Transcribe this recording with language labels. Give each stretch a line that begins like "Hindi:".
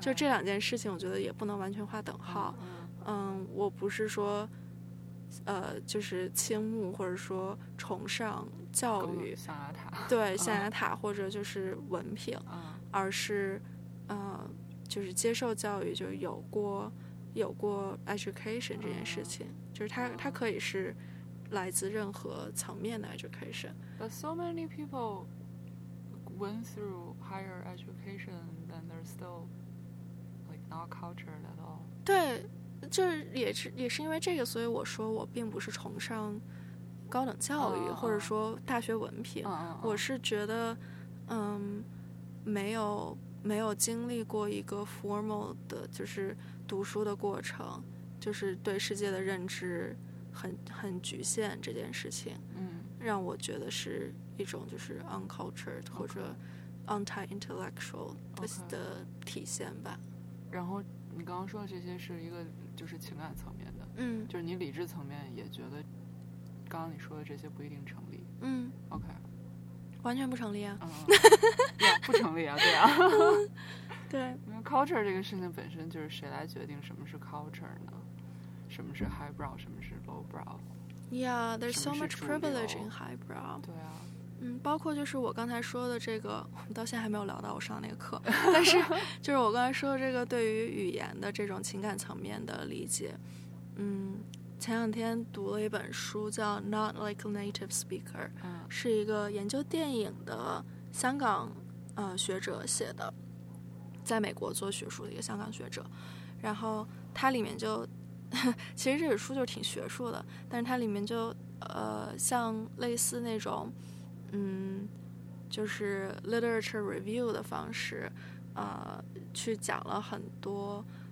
Chinese: 就这两件事情，我觉得也不能完全划等号。我不是说就是倾慕或者说崇尚教育象牙塔，对，象牙塔或者就是文凭，而是就是接受教育，就有过 education 这件事情，就是它可以是来自任何层面的 education。
English: But so many people went through higher education and they're still like not cultured at all。
Chinese: 对，就也是因为这个，所以我说我并不是崇尚高等教育，或者说大学文凭。我是觉得，没有经历过一个 formal 的，就是读书的过程，就是对世界的认知很局限这件事情，让我觉得是一种就是 uncultured 或者 anti-intellectual 的体现吧。然后你刚刚说的这些是一个就是情感层面的，就是你理智层面也觉得刚刚你说的这些不一定成立，OK，完全不成立啊，不成立啊，对啊，对，因为 culture 这个事情本身就是谁来决定什么是 culture 呢？什么是 highbrow， 什么是 lowbrow？
English: Yeah， there's so much privilege in highbrow。
Chinese: 对啊。包括就是我刚才说的这个，到现在还没有聊到我上那个课，但是就是我刚才说的这个对于语言的这种情感层面的理解，前两天读了一本书叫 Not Like a Native Speaker， 是一个研究电影的香港学者写的，在美国做学术的一个香港学者，然后他里面就其实这本书就挺学术的，但是他里面就像类似那种就是 literature review 的方式去讲了很多